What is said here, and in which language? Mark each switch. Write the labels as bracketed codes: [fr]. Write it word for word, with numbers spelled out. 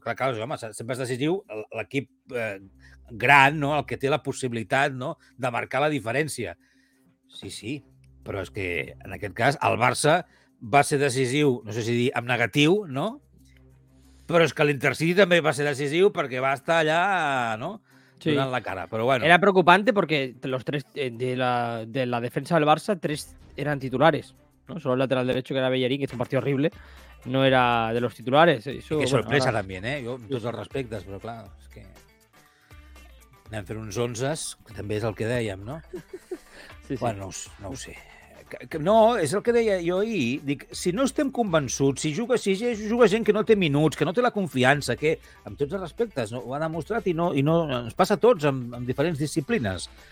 [ca] Clar, clar, home, sempre és decisiu l'equip eh, gran, no? El que té la possibilitat, no?, de marcar la diferència. Sí, sí, però és que en aquest cas el Barça va ser decisiu, no sé si dir amb negatiu, no? Però és que l'Intercity també va ser decisiu perquè va estar allà, no?, sí, donant la cara. Però bueno. [es] Era preocupante porque los tres de la, de la defensa del Barça, tres eran titulares, ¿no? Solo el lateral derecho, que era Bellerín, que hizo un partido horrible, no era de los titulares. Eso, qué sorpresa, bueno, también, eh? [ca] Jo, amb tots els respectes, però clar, és que anem fent uns onzes, que també és el que dèiem, no? Sí, sí. Bueno, no, no ho sé. No, és el que deia jo ahir. Dic, si no estem convençuts, si juga, si juga gent que no té minuts, que no té la confiança, que amb tots els respectes no, ho han demostrat i no, i no ens passa a tots amb, amb diferents disciplines.